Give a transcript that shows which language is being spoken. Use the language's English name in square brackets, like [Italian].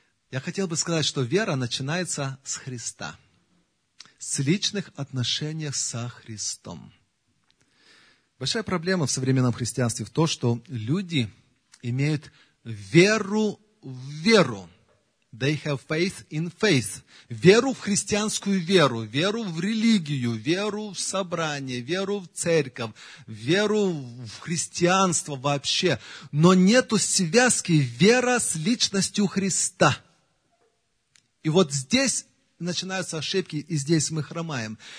[Russian] Я хотел бы сказать, что вера начинается с Христа, с личных отношений со Христом. Большая проблема в современном христианстве в том, что люди имеют веру в веру. [English] They have faith in faith. [Russian] Веру в христианскую веру, веру в религию, веру в собрание, веру в церковь, веру в христианство вообще. Но нету связки вера с личностью Христа. И вот здесь начинаются ошибки, и здесь мы хромаем.